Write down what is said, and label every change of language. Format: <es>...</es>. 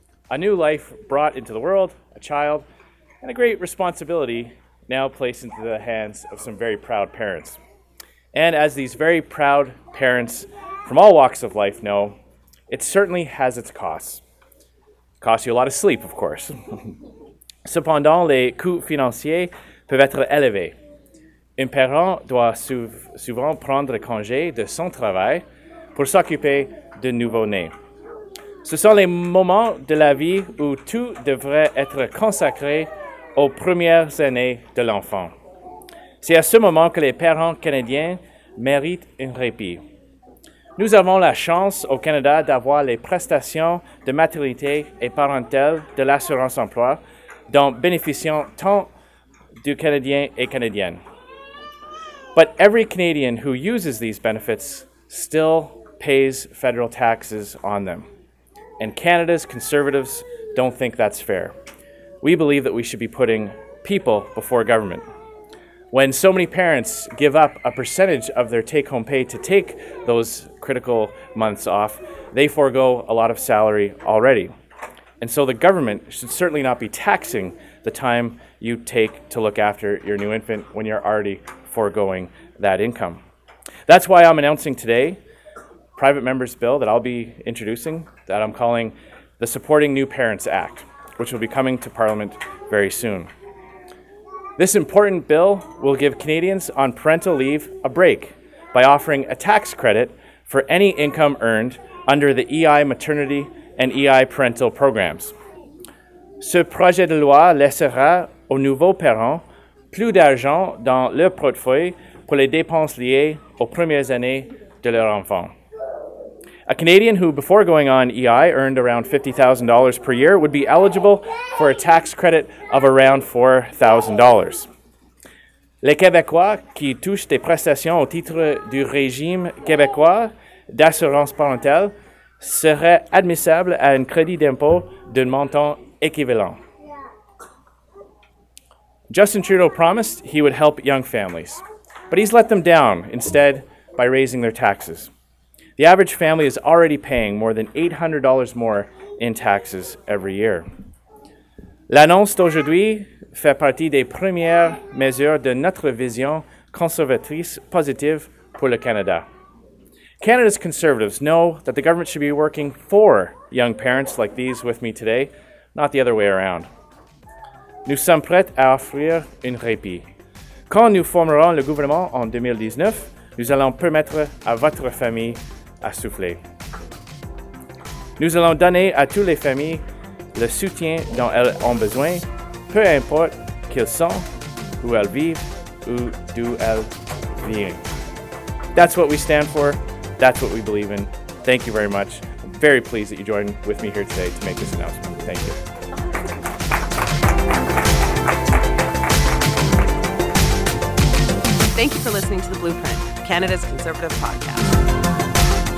<en>A new life brought into the world, a child, and a great responsibility now placed into the hands of some very proud parents. And as these very proud parents from all walks of life know, it certainly has its costs. It costs you a lot of sleep, of course.</en> <fr>Cependant, les coûts financiers peuvent être élevés. Un parent doit souvent prendre congé de son travail pour s'occuper de nouveau-né. Ce sont les moments de la vie où tout devrait être consacré aux premières années de l'enfant. C'est à ce moment que les parents canadiens méritent un répit. Nous avons la chance au Canada d'avoir les prestations de maternité et parentale de l'assurance-emploi dont bénéficient tant de Canadiens et Canadiennes.</fr> <en>But every Canadian who uses these benefits still pays federal taxes on them. And Canada's Conservatives don't think that's fair. We believe that we should be putting people before government. When so many parents give up a percentage of their take-home pay to take those critical months off, they forego a lot of salary already. And so the government should certainly not be taxing the time you take to look after your new infant when you're already foregoing that income. That's why I'm announcing today a private member's bill that I'll be introducing that I'm calling the Supporting New Parents Act, which will be coming to Parliament very soon. This important bill will give Canadians on parental leave a break by offering a tax credit for any income earned under the EI maternity and EI parental programs.</en> <fr>Ce projet de loi laissera aux nouveaux parents plus d'argent dans leur portefeuille pour les dépenses liées aux premières années de leur enfant.</fr> <en>A Canadian who, before going on EI, earned around $50,000 per year would be eligible for a tax credit of around $4,000.</en> <fr>Les Québécois qui touchent des prestations au titre du régime québécois d'assurance parentale seraient admissibles à un crédit d'impôt d'un montant équivalent.</fr> <en>Justin Trudeau promised he would help young families, but he's let them down instead by raising their taxes. The average family is already paying more than $800 more in taxes every year.</en> <fr>L'annonce d'aujourd'hui fait partie des premières mesures de notre vision conservatrice positive pour le Canada.</fr> <en>Canada's Conservatives know that the government should be working for young parents like these with me today, not the other way around.</en> <fr>Nous sommes prêts à offrir un répit. Quand nous formerons le gouvernement en 2019, nous allons permettre à votre famille à souffler. Nous allons donner à toutes les familles le soutien dont elles ont besoin, peu importe qui elles sont, où elles vivent ou d'où elles viennent.</fr> <en>That's what we stand for. That's what we believe in. Thank you very much. I'm very pleased that you joined with me here today to make this announcement. Thank you. Thank you for listening to The Blueprint, Canada's conservative podcast.</en>